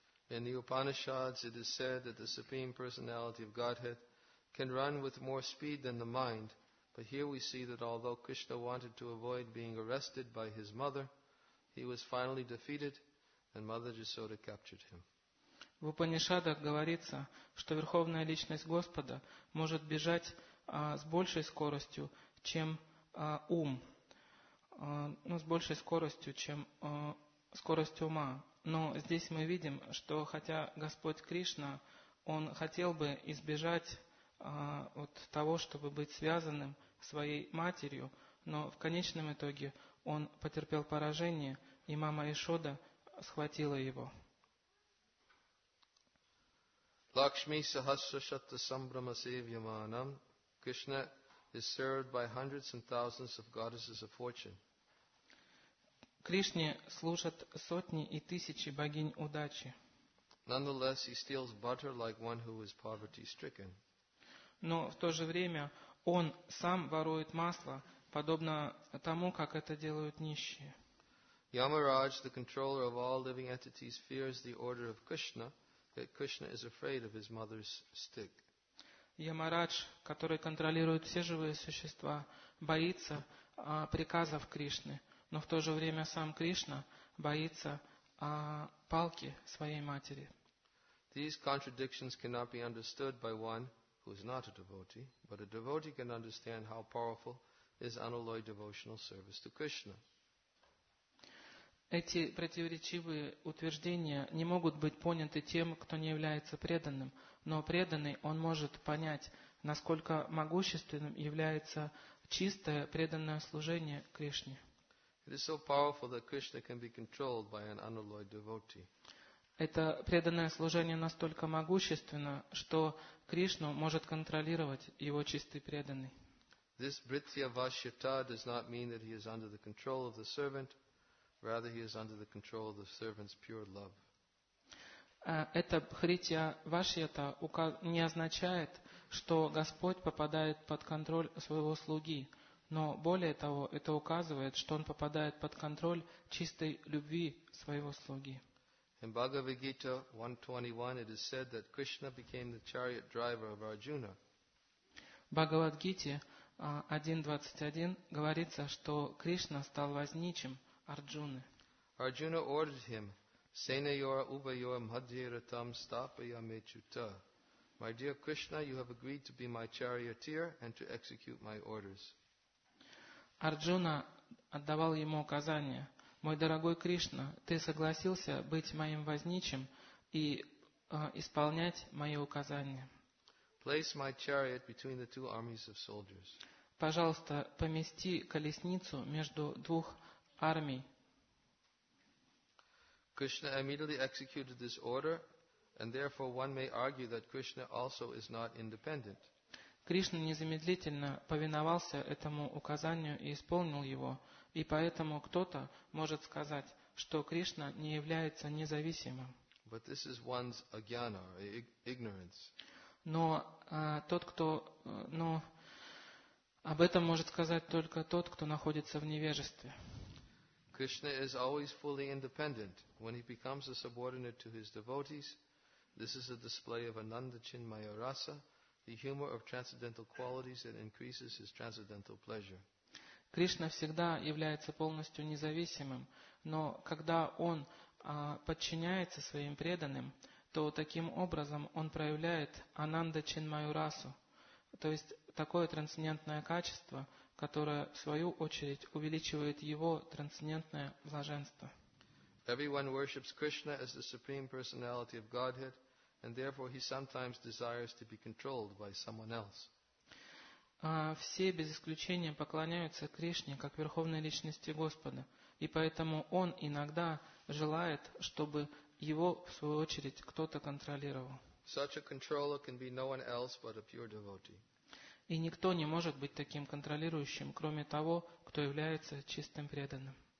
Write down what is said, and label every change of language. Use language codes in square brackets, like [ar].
[en] In the Upanishads it is said that the Supreme Personality of Godhead can run with more speed than the mind. But here we see that although Krishna wanted to avoid being arrested by his mother, he was finally defeated. And Mother Jasoda captured him. [ru] В Упанишадах говорится, что Верховная Личность Господа может бежать с большей скоростью, чем ум. С большей скоростью, чем скорость ума. Но здесь мы видим, что хотя Господь Кришна, Он хотел бы избежать от того, чтобы быть связанным своей матерью, но в конечном итоге Он потерпел поражение, и мама Ишода схватила его. [sa] Lakshmi sahasra shatta sambrama sevyamanam. [en] Krishna is served by hundreds and thousands of goddesses of fortune. [ru] Кришне служат сотни и тысячи богинь удачи. [en] Nonetheless, he steals butter like one who is poverty stricken. [ru] Но в то же время он сам ворует масло, подобно тому, как это делают нищие. [en] Yamaraj, the controller of all living entities, fears the order of Krishna that Krishna is afraid of his mother's stick. [ru] Ямарадж, который контролирует все живые существа, боится приказов Кришны, но в то же время сам Кришна боится палки своей матери. [en] These contradictions cannot be understood by one who is not a devotee, but a devotee can understand how powerful is unalloyed devotional service to Krishna. [ru] Эти противоречивые утверждения не могут быть поняты тем, кто не является преданным, но преданный, он может понять, насколько могущественным является чистое преданное служение Кришне. [en] It is so powerful that Krishna can be controlled by an unalloyed devotee. [ru] Это преданное служение настолько могущественно, что Кришну может контролировать его чистый преданный. [en] This vritya vashyata does not mean that he is under the control of the servant. Rather, he is under the control of the servant's pure love. [ru] Эта хритья вашьята не означает, что Господь попадает под контроль своего слуги, но более того, это указывает, что он попадает под контроль чистой любви своего слуги. [en] In Bhagavad Gita 1.21 it is said that Krishna became the chariot driver of Arjuna. [ru] Bhagavad Gita 1.21 говорится, что Кришна стал возничим Арджуны. [en] Arjuna ordered him, [sa] Senayora Ubayora Madhiratam Stapaya Mechuta. [en] My dear Krishna, you have agreed to be my charioteer and to execute my orders. [ru] Арджуна отдавал ему указания. Мой дорогой Кришна, ты согласился быть моим возничим и исполнять мои указания. [en] Place my chariot between the two armies of soldiers. [ru] Пожалуйста, помести колесницу между двух армий. [en] Krishna immediately executed this order, and therefore one may argue that Krishna also is not independent. [ru] Кришна незамедлительно повиновался этому указанию и исполнил его, и поэтому кто-то может сказать, что Кришна не является независимым. [en] But this is one's agyana, ignorance. [ru] Но об этом может сказать только тот, кто находится в невежестве. [en] Krishna is always fully independent. When he becomes a subordinate to his devotees, this is a display of ananda chinmaya rasa, the humor of transcendental qualities that increases his transcendental pleasure. [ru] Кришна всегда является полностью независимым, но когда он подчиняется своим преданным, то таким образом он проявляет ананда чинмаю расу, то есть такое трансцендентное качество, которая, в свою очередь, увеличивает его трансцендентное блаженство. [en] Everyone worships Krishna as the Supreme Personality of Godhead, and therefore he sometimes desires to be controlled by someone else. [ru] Все без исключения поклоняются Кришне как Верховной Личности Господа, и поэтому он иногда желает, чтобы его, в свою очередь, кто-то контролировал. [en] Such a controller can be no one else but a pure devotee. [ru] И никто не может быть таким контролирующим, кроме того, кто является чистым преданным.